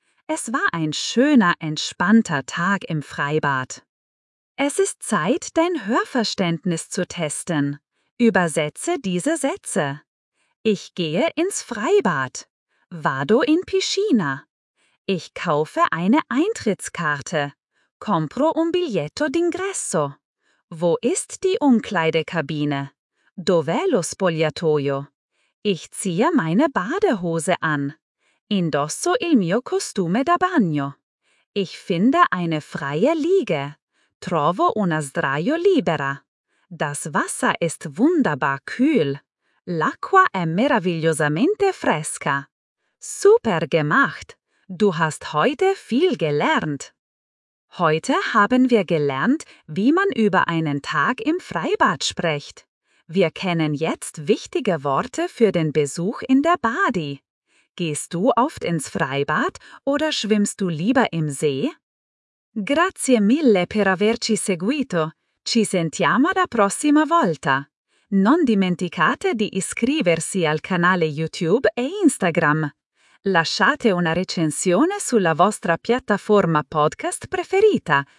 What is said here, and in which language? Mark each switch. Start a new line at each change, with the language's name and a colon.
German: Es war ein schöner, entspannter Tag im Freibad. Es ist Zeit, dein Hörverständnis zu testen. Übersetze diese Sätze. Ich gehe ins Freibad.
Italian: Vado in piscina.
German: Ich kaufe eine Eintrittskarte.
Italian: Compro un biglietto d'ingresso. Wo ist die Umkleidekabine? Dov'è lo spogliatoio?
German: Ich ziehe meine Badehose an.
Italian: Indosso il mio costume da bagno.
German: Ich finde eine freie Liege.
Italian: Trovo una sdraio libera.
German: Das Wasser ist wunderbar kühl.
Italian: L'acqua è meravigliosamente fresca.
German: Super gemacht! Du hast heute viel gelernt. Heute haben wir gelernt, wie man über einen Tag im Freibad spricht. Wir kennen jetzt wichtige Worte für den Besuch in der Badi. Gehst du oft ins Freibad oder schwimmst du lieber im See?
Italian: Grazie mille per averci seguito. Ci sentiamo la prossima volta. Non dimenticate di iscriversi al canale YouTube e Instagram. Lasciate una recensione sulla vostra piattaforma podcast preferita.